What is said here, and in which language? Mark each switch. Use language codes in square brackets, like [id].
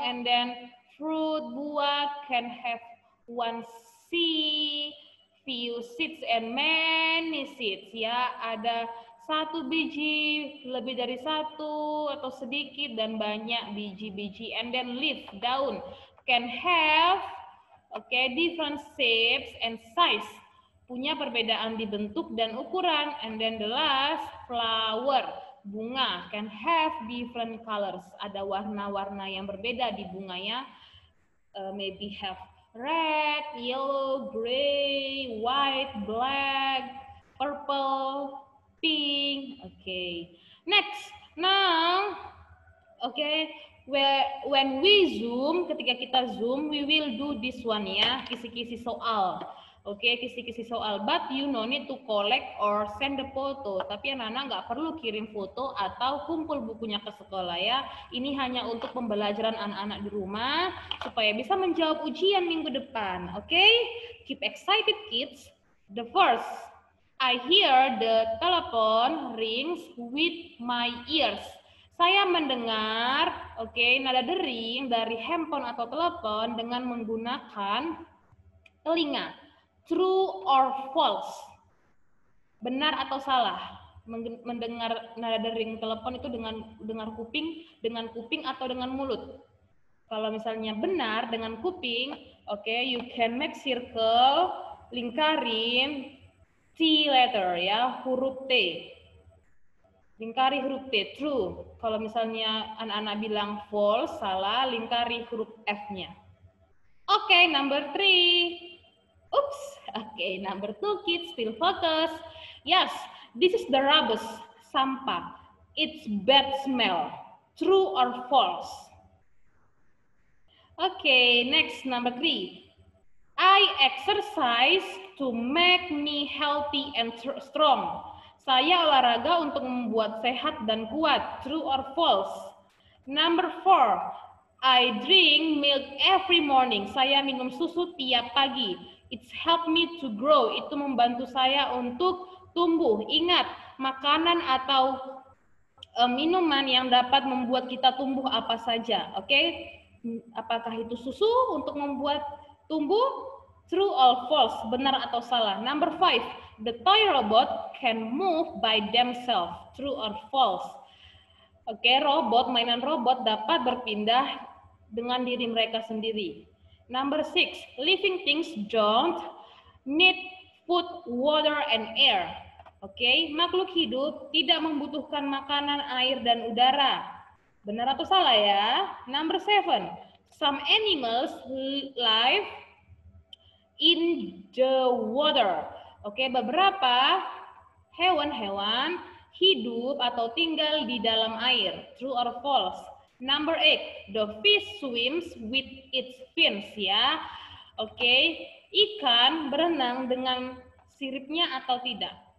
[en] And then fruit, buah, can have one seed, few seeds, and many seeds. [id] Ya, ada satu biji, lebih dari satu, atau sedikit, dan banyak biji-biji. [en] And then leaf, daun, can have, okay, different shapes and size. [id] Punya perbedaan di bentuk dan ukuran. [en] And then the last, flower, bunga, can have different colors. [id] Ada warna-warna yang berbeda di bunganya. [en] Maybe have red, yellow, gray, white, black, purple, pink. Okay, next. Now, okay, when we zoom, [id] ketika kita zoom, [en] we will do this one, ya, kisi-kisi soal. Okay, kisi-kisi soal, but you no need to collect or send the photo. [id] Tapi anak-anak nggak perlu kirim foto atau kumpul bukunya ke sekolah, ya. Ini hanya untuk pembelajaran anak-anak di rumah supaya bisa menjawab ujian minggu depan. [en] Okay, keep excited, kids. The first, I hear the telephone rings with my ears. [id] Saya mendengar, okay, nada dering dari handphone atau telepon dengan menggunakan telinga. [en] True or false? [id] Benar atau salah? Mendengar nada dering telepon itu dengan kuping atau dengan mulut? Kalau misalnya benar dengan kuping, okay, [en] you can make circle, [id] lingkarin T letter, ya, huruf T. Lingkari huruf T, true. Kalau misalnya anak-anak bilang false, salah, lingkari huruf F-nya. [en] Oke, okay, number three. Oops, okay, number two, kids, still focus. Yes, this is the rubbish, sampah. It's bad smell, true or false? Okay, next, number three. I exercise to make me healthy and strong. [id] Saya olahraga untuk membuat sehat dan kuat. [en] True or false? Number four. I drink milk every morning. [id] Saya minum susu tiap pagi. [en] It's help me to grow. [id] Itu membantu saya untuk tumbuh. Ingat, makanan atau minuman yang dapat membuat kita tumbuh apa saja. Oke? Okay? Apakah itu susu untuk membuat tumbuh? [en] True or false? [id] Benar atau salah? [en] Number five. The toy robot can move by themselves. True or false? [id] Oke, okay, robot, mainan robot dapat berpindah dengan diri mereka sendiri. [en] Number six, living things don't need food, water, and air. [id] Oke, okay, makhluk hidup tidak membutuhkan makanan, air, dan udara. Benar atau salah ya? [en] Number seven, some animals live in the water. [id] Oke, okay, beberapa hewan-hewan hidup atau tinggal di dalam air. [en] True or false? Number eight, the fish swims with its fins, ya. [id] Oke, okay, ikan berenang dengan siripnya atau tidak?